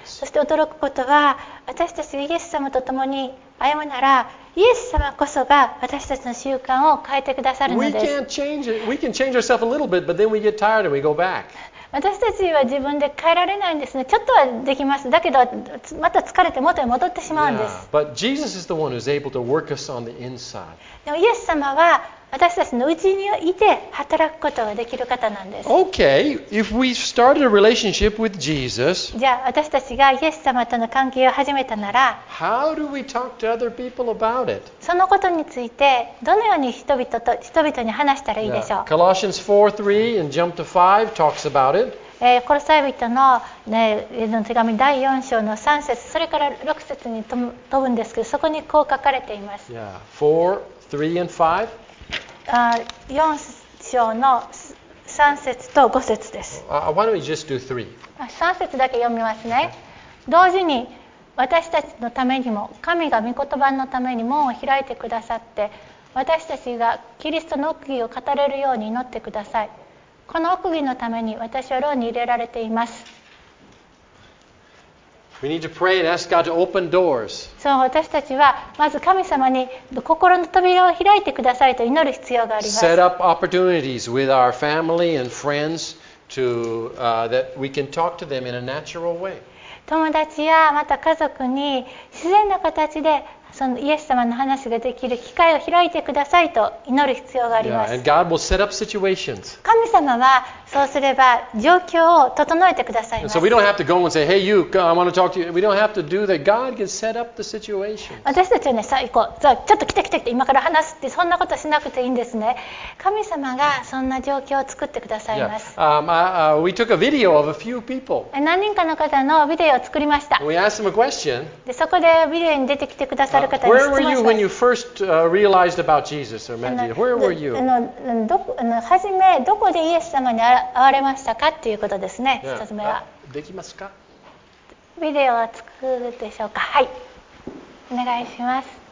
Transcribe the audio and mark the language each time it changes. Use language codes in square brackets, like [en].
[ja] そして驚くことは、私たちがイエス様と共に歩むなら、イエス様こそが私たちの習慣を変えてくださるのです。 [en] We can change it. We can change ourselves a little bit, but then we get tired and we go back. [ja] 私たちは自分で変えられないんですね。ちょっとはできます。だけどまた疲れて元に戻ってしまうんです。 [en] But Jesus is the one who is able to work us on the inside. [ja] でもイエス様は私たちの内にいて働くことができる方なんです。 [en] Okay, if we started a relationship with Jesus, [ja] じゃあ私たちがイエス様との関係を始めたなら、 [en] How do we talk to other people about it? [ja] そのことについてどのように人々に話したらいいでしょう。 [en] Colossians 4:3 and jump to 5 talks about it. [ja] コロサイ人の、ね、手紙第4章の3節それから6節に飛ぶんですけど、そこにこう書かれています。 [en] Yeah, 4:3 and 5. [ja] 4章の3節と5節です。 [en] Why don't we just do 3 [ja] 節だけ読みますね。同時に私たちのためにも、神が御言葉のために門を開いてくださって、私たちがキリストの奥義を語れるように祈ってください。この奥義のために私は牢に入れられています。 [en] We need to pray and ask God to open doors. [ja] そう、私たちはまず神様に心の扉を開いてくださいと祈る必要があります。 [en] Set up opportunities with our family and friends to, that we can talk to them in a natural way. [ja] 友達やまた家族に自然な形でそのイエス様の話ができる機会を開いてくださいと祈る必要があります。 [en] Yeah, and God will set up situations. [ja] 神様はそうすれば状況を整えてくださいます。 [en] So we don't have to go and say, "Hey, you, I want to talk to you." We don't have to do that. God can set up the situation. [ja] 私たちはね、さあ行こう。じゃあちょっと来て来て来て、今から話すってそんなことしなくていいんですね。神様がそんな状況を作ってくださいます。 [en] Yeah. We took a video of a few people. [ja] 何人かの方のビデオを作りました。 [en] We asked them a question. [ja] でそこでビデオに出てきてくださる方に質問します。 [en] Where were you when you first realized about Jesus or met Jesus? Where were you? [ja] はじめどこでイエス様に会われましたかっていうことですね。一つ目はできますか。ビデオを作るでしょうか。はい、お願いします。